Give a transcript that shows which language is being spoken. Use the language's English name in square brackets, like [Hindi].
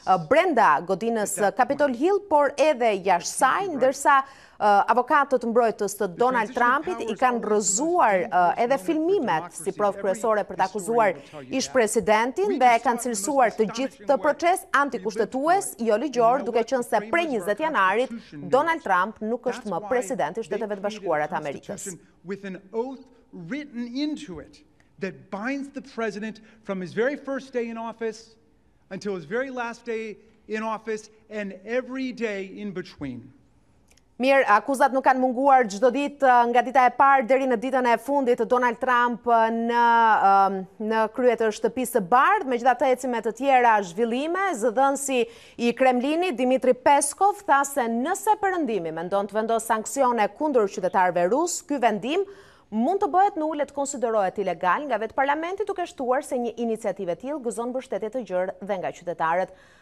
[Albanian] brenda godinës Capitol Hill, por edhe jashtë saj, ndërsa avokatët mbrojtës të Donald Trumpit i kanë rrëzuar edhe filmimet si provë kryesore për të akuzuar ish-presidentin dhe kanë cilësuar të gjithë të proces antikushtetues, jo ligjor, duke qenë se prej 20 janarit Donald Trump nuk është më president i Shteteve të Bashkuara të Amerikës. [English] With an oath written into it that binds the president from his very first day in office until his very last day in office and every day in between. [Albanian] Mirë, akuzat nuk kanë munguar çdo ditë nga dita e parë deri në ditën e fundit të Donald Trump në krye të shtëpisë së bardhë. Megjithatë, ecime të tjera zhvillime, zëdhënësi i Kremlinit Dimitri Peskov tha se nëse Perëndimi mendon të vendosë sanksione kundër qytetarëve rusë, ky vendim mund të bëhet në ulet konsiderohet ilegal nga vetë parlamenti, duke shtuar se një iniciativë e tillë gëzon mbështetje të gjerë dhe nga qytetarët.